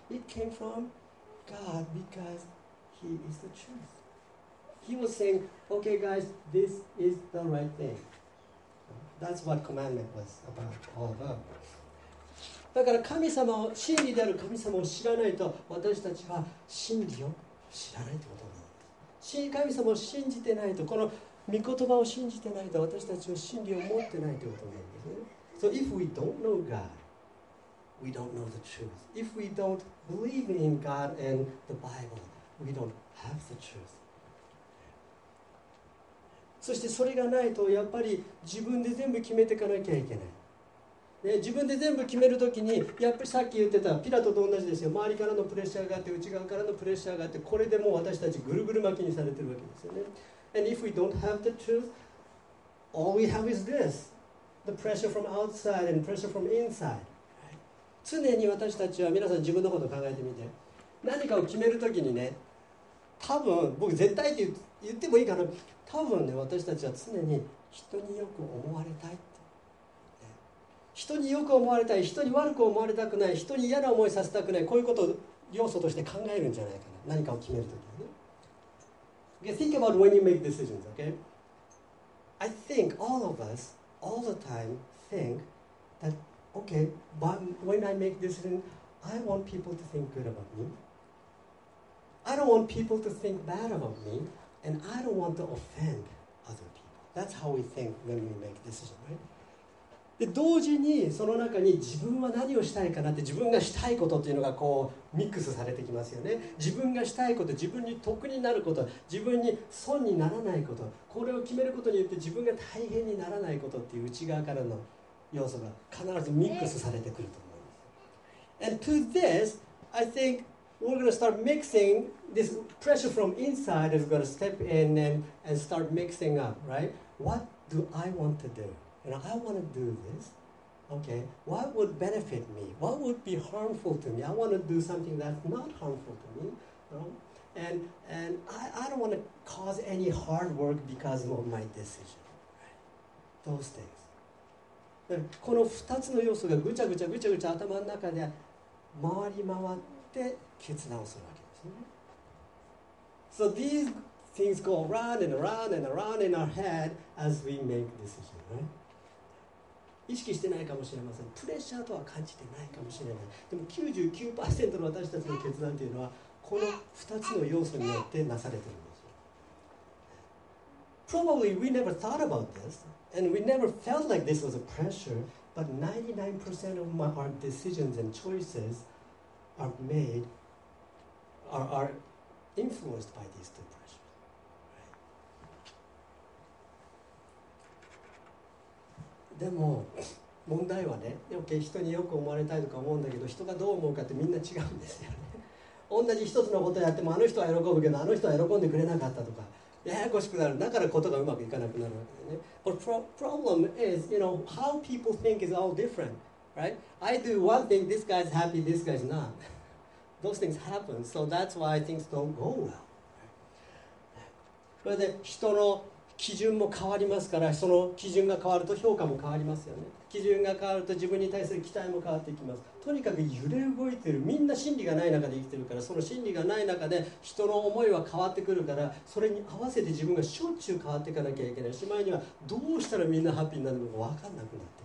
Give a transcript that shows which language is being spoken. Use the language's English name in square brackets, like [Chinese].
[English] It came from God because He is the truth. He was saying, okay, guys, this is the right thing. That's what commandment was about, all about. [Japanese] だから神様を真理である神様を知らないと私たちは真理を知らないということになる。神様を信じてないとこの御言葉を信じてないと私たちは真理を持ってないということになるんですね。 [English] So if we don't know God, we don't know the truth. If we don't believe in God and the Bible, we don't have the truth. [Japanese] そしてそれがないとやっぱり自分で全部決めていかなきゃいけない。ね、自分で全部決めるときにやっぱりさっき言ってたピラトと同じですよ。周りからのプレッシャーがあって内側からのプレッシャーがあって、これでもう私たちぐるぐる巻きにされてるわけですよね。 [English] And if we don't have the truth, all we have is this: the pressure from outside and pressure from inside. [Japanese] 常に私たちは、皆さん自分のことを考えてみて、何かを決めるときにね、多分僕絶対って言ってもいいかな、多分ね、私たちは常に人によく思われたい、人によく思われたい、人に悪く思われたくない、人に嫌な思いさせたくない、こういうことを要素として考えるんじゃないかな、何かを決めるときにね。 [English] Okay, think about when you make decisions, okay? I think all of us, all the time, think that, okay, but when I make decision, I want people to think good about me. I don't want people to think bad about me, and I don't want to offend other people. That's how we think when we make decisions, right? [Japanese] で同時にその中に自分は何をしたいかなって、自分がしたいことっていうのがこうミックスされてきますよね。自分がしたいこと、自分に得になること、自分に損にならないこと、これを決めることによって自分が大変にならないことっていう内側からの要素が必ずミックスされてくると思います。 [English] And to this, I think we're going to start mixing this pressure from inside is going to step in and start mixing up, right? What do I want to do? And I want to do this. Okay, what would benefit me? What would be harmful to me? I want to do something that's not harmful to me. You know? And I don't want to cause any hard work because of my decision. Those things. [Japanese] この2つの要素がぐちゃぐちゃぐちゃぐちゃ頭の中で回り回って決断をするわけですね。 [English] So these things go round and round and round in our head as we make decisions, right? [Japanese] 意識してないかもしれません。プレッシャーとは感じてないかもしれない。でも 99% の私たちの決断というのはこの2つの要素によってなされているんですよ。 [English] Probably we never thought about this and we never felt like this was a pressure, but 99% of my our decisions and choices are made are influenced by these two pressures. [Japanese] でも問題はね、okay、人によく思われたいとか思うんだけど、人がどう思うかってみんな違うんですよね。同じ一つのことをやってもあの人は喜ぶけどあの人は喜んでくれなかったとか、ややこしくなる。だからことがうまくいかなくなるわけでね。 [English] But problem is, you know, how people think is all different, right? I do one thing, this guy's happy, this guy's not. Those things happen, so that's why things don't go well. [Japanese] それで人の基準も変わりますから、その基準が変わると評価も変わりますよね。基準が変わると自分に対する期待も変わっていきます。とにかく揺れ動いてる。みんな真理がない中で生きてるから、その真理がない中で人の思いは変わってくるから、それに合わせて自分がしょっちゅう変わっていかなきゃいけない。しまいにはどうしたらみんなハッピーになるのか分かんなくなってくる。